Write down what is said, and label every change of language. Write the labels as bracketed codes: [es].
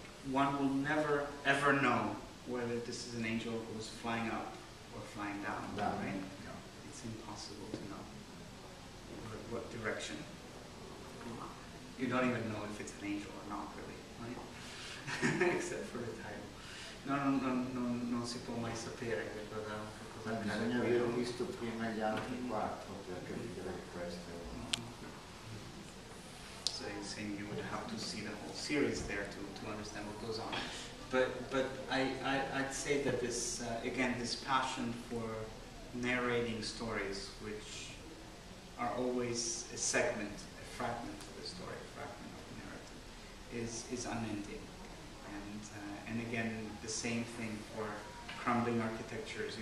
[en] One will never, ever know whether this is an angel who is flying up or flying down, right? No. It's impossible to know what direction. You don't even know if it's an angel or not, really, right? Except for the title. [it] No, si può mai sapere che cosa accade. Bisogna aver visto prima gli altri quattro per capire questo. [en] So you're saying you would have to see the whole series there to understand what goes on, but I'd say that this passion for narrating stories, which are always a fragment of the story, a fragment of the narrative, is unending, and again the same thing for crumbling architectures.